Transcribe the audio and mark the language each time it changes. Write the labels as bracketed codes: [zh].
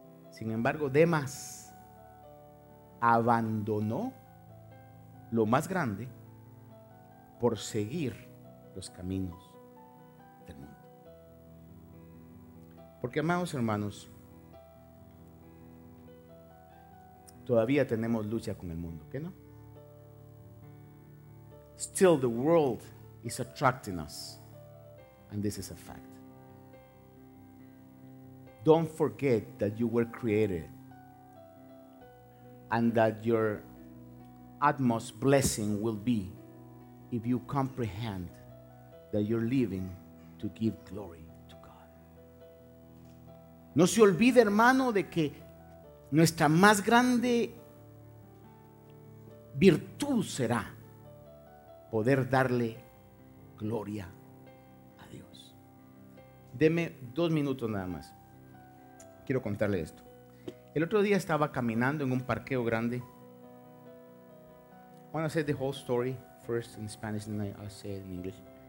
[es] Sin embargo, Demas abandonó lo más grande por seguir los caminos del mundo. Porque, amados hermanos, todavía tenemos lucha con el mundo, ¿qué no? [en] Still the world is attracting us, and this is a fact. Don't forget that you were created and that your utmost blessing will be if you comprehend that you're living to give glory to God. [es] No se olvide, hermano, de que nuestra más grande virtud será poder darle gloria a Dios. Deme 2 minutos nada más. Quiero contarle esto. El otro día estaba caminando en un parqueo grande. [en] I want to say the whole story first in Spanish and then I'll say it in English.